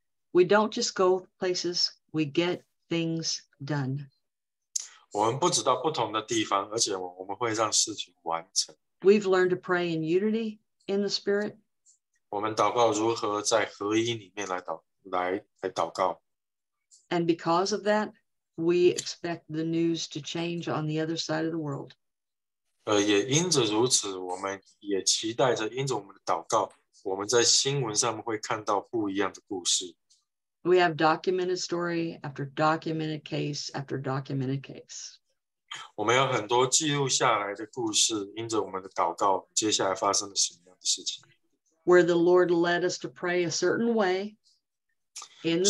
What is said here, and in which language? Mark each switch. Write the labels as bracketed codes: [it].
[en] We don't just go places, we get things done. [zh] 我们不只到不同的地方, 而且我们会让事情完成。 [en] We've learned to pray in unity in the spirit. [zh] 我们祷告如何在合一里面来祷告。 [en] And because of that, we expect the news to change on the other side of the world. [zh] 也因着如此, 我们也期待着因着我们的祷告, 我们在新闻上面会看到不一样的故事。 [en] We have documented story after documented case after documented case. [zh] 我们有很多记录下来的故事, 因着我们的祷告, 接下来发生了什么样的事情。 [en] Where the Lord led us to pray a certain way in the